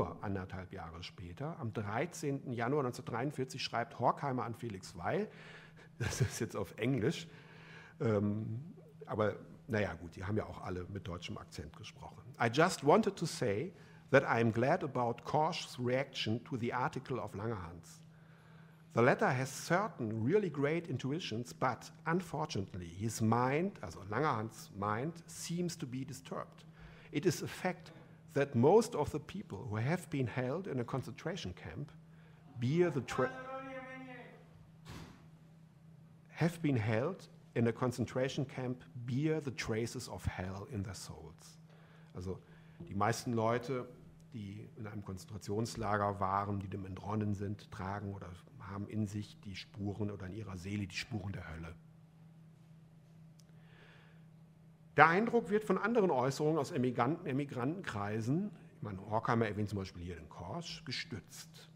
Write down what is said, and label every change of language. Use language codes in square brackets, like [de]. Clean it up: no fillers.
[de] Nur anderthalb Jahre später, am 13. Januar 1943, schreibt Horkheimer an Felix Weil, das ist jetzt auf Englisch, aber naja gut, die haben ja auch alle mit deutschem Akzent gesprochen. [en] I just wanted to say that I am glad about Korsch's reaction to the article of Langerhans. The latter has certain really great intuitions, but unfortunately his mind, also Langerhans' mind, seems to be disturbed. It is a fact that most of the people who have been held in a concentration camp bear the traces of hell in their souls. [de] Also die meisten Leute, die in einem Konzentrationslager waren, die dem entronnen sind, tragen oder haben in sich die Spuren oder in ihrer Seele die Spuren der Hölle. Der Eindruck wird von anderen Äußerungen aus Emigrantenkreisen, ich meine, Horkheimer erwähnt zum Beispiel hier den Korsch, gestützt.